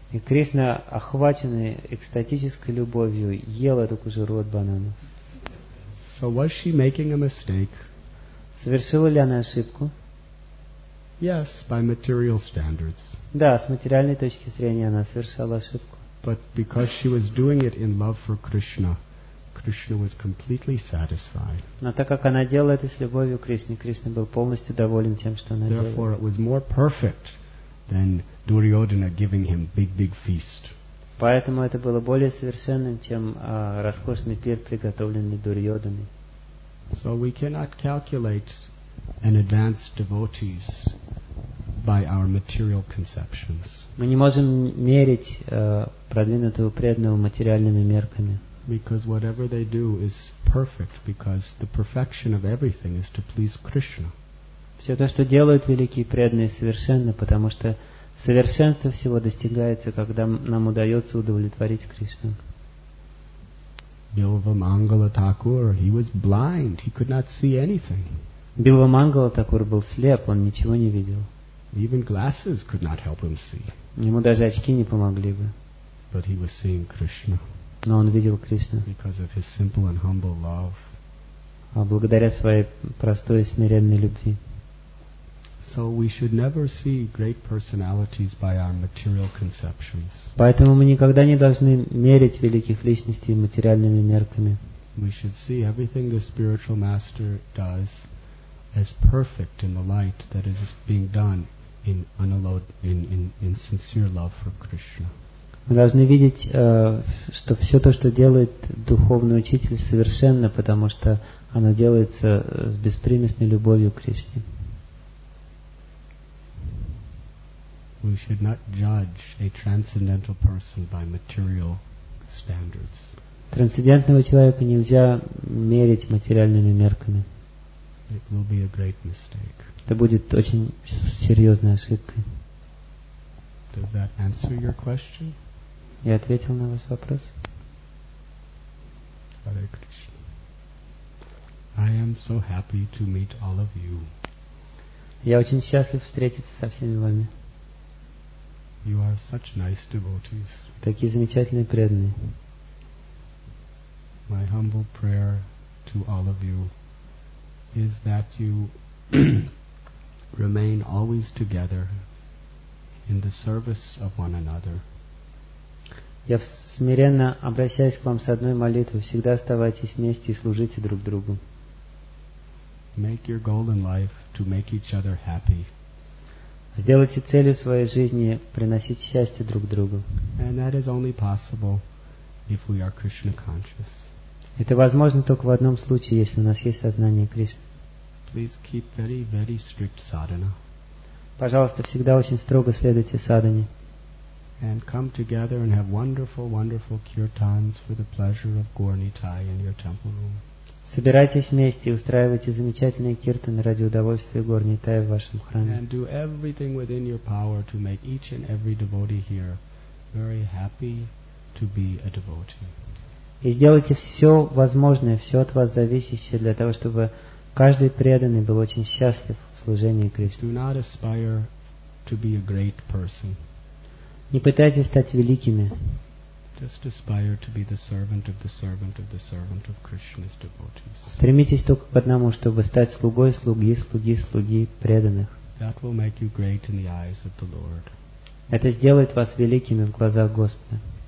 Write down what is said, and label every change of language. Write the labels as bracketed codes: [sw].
[ru] И Кришна, охваченный экстатической любовью, ел эту кожуру от банана. [en] So was she making a mistake? [ru] Совершила ли она ошибку? [en] Yes, by material standards. [ru] Да, с материальной точки зрения она совершала ошибку. [en] But because she was doing it in love for Krishna, Krishna was completely satisfied. [ru] Но так как она делала это с любовью к Кришне, Кришна был полностью доволен тем, что она делала. [en] Therefore, it was more perfect than Duryodhana giving him big feast. [ru] Поэтому это было более совершенным, чем роскошный пир, приготовленный Дурьодханой. [en] So we cannot calculate an advanced devotee's by our material conceptions. [ru] Мы не можем мерить продвинутого преданного материальными мерками. [en] Because whatever they do is perfect, because the perfection of everything is to please Krishna. [ru] Все то, что делают великие преданные, совершенно, потому что совершенство всего достигается, когда нам удается удовлетворить Кришну. [en] Билва Мангала Такур, he was blind, he could not see anything. [ru] Билва Мангала Такур был слеп, он ничего не видел. [en] Even glasses could not help him see. [ru] Ему даже очки не помогли бы. [en] But he was seeing Krishna. [ru] Но он видел Кришну. [en] Because of his simple and humble love. [ru] А благодаря своей простой и смиренной любви. [en] So we should never see great personalities by our material conceptions. [ru] Поэтому мы никогда не должны мерить великих личностей материальными мерками. [en] We should see everything the spiritual master does as perfect in the light that it is being done in sincere love for Krishna. [ru] Мы должны видеть, что все то, что делает духовный учитель, совершенно, потому что оно делается с беспримесной любовью к Кришне. [en] We should not judge a transcendental person by material standards. [ru] Трансцендентного человека нельзя мерить материальными мерками. [en] It will be a great mistake. [ru] Это будет очень серьезной ошибкой. [en] Does that answer your question? [ru] Я ответил на ваш вопрос. [en] Hare Krishna. I am so happy to meet all of you. [ru] Я очень счастлив встретиться со всеми вами. [en] You are such nice devotees. [ru] Такие замечательные преданные. [en] My humble prayer to all of you is that you remain always together in the service of one another. [ru] Я смиренно обращаюсь к вам с одной молитвой: всегда оставайтесь вместе и служите друг другу. [en] Make your goal in life to make each other happy. [ru] Сделайте целью своей жизни приносить счастье друг другу. [en] And that is only possible if we are Krishna conscious. [ru] Это возможно только в одном случае, если у нас есть сознание Кришны. [en] Please keep very, very strict sadhana. [ru] Пожалуйста, всегда очень строго следуйте садхане. [en] And come together and have wonderful, wonderful kirtans for the pleasure of Gornitai in your temple room. [ru] Собирайтесь вместе и устраивайте замечательные киртаны ради удовольствия Горнитая в вашем храме. [en] And do everything within your power to make each and every devotee here very happy to be a devotee. [ru] И сделайте все возможное, все от вас зависящее для того, чтобы каждый преданный был очень счастлив в служении Кришне. [en] Do not aspire to be a great person. [ru] Не пытайтесь стать великими. [en] Just aspire to be the servant of the servant of the servant of Krishna's devotees. [ru] Стремитесь только к одному, чтобы стать слугой слуги, слуги слуги преданных. [en] That will make you great in the eyes of the Lord. [ru] Это сделает вас великими в глазах Господа.